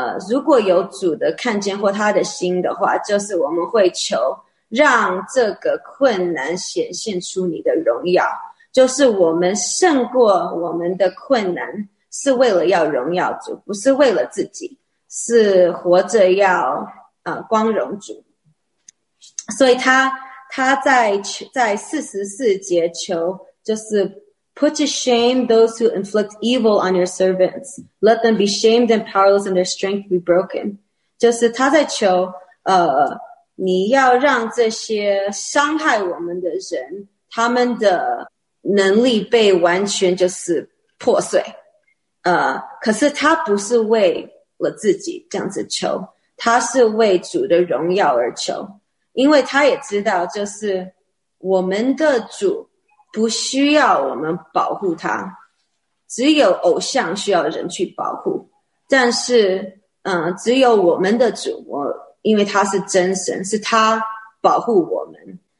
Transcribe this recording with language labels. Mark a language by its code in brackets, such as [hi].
[zh] 如果有主的看见或他的心的话，就是我们会求让这个困难显现出你的荣耀，就是我们胜过我们的困难是为了要荣耀主，不是为了自己，是活着要光荣主。所以他在44节求，就是 [en] Put to shame those who inflict evil on your servants. Let them be shamed and powerless and their strength be broken. [zh] 就是他在求你要让这些伤害我们的人他们的能力被完全就是破碎，可是他不是为了自己这样子求，他是为主的荣耀而求，因为他也知道就是我们的主不需要我们保护他，只有偶像需要人去保护，但是只有我们的主，我因为他是真神，是他保护我们。